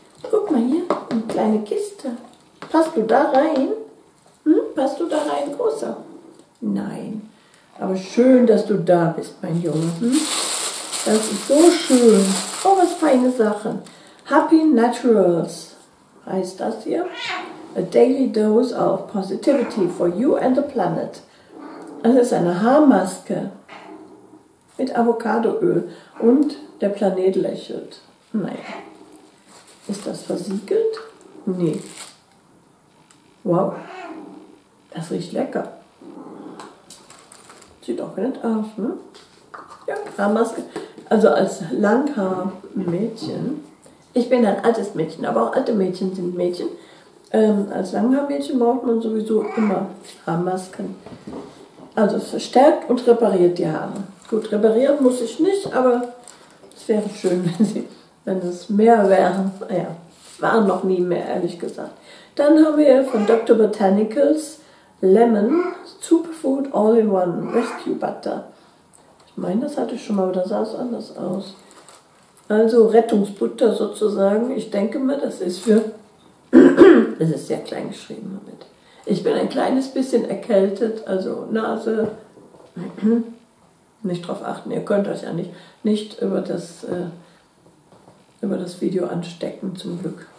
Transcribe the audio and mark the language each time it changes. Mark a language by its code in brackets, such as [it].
[de] Guck mal hier, eine kleine Kiste. Passt du da rein? Hm? Passt du da rein, Großer? Nein. Aber schön, dass du da bist, mein Junge. Hm? Das ist so schön. Oh, was feine Sachen. Happy Naturals heißt das hier. [en] A daily dose of positivity for you and the planet. [de] Das ist eine Haarmaske mit Avocadoöl und der Planet lächelt. Naja, ist das versiegelt? Nee. Wow, das riecht lecker. Sieht auch nett aus, ne? Ja, Haarmaske. Also als Langhaar-Mädchen, ich bin ein altes Mädchen, aber auch alte Mädchen sind Mädchen. Als Langhaar-Mädchen braucht man sowieso immer Haarmasken. Also es verstärkt und repariert die Haare. Gut, reparieren muss ich nicht, aber es wäre schön, wenn es mehr wären. Naja, waren noch nie mehr, ehrlich gesagt. Dann haben wir von Dr. [en] Botanicals Lemon Superfood All-in-One Rescue Butter. [de] Ich meine, das hatte ich schon mal, aber da sah es anders aus. Also Rettungsbutter sozusagen. Ich denke mal, das ist für... Es ist sehr klein geschrieben damit. Ich bin ein kleines bisschen erkältet, also Nase. Nicht drauf achten, ihr könnt euch ja nicht über das Video anstecken, zum Glück.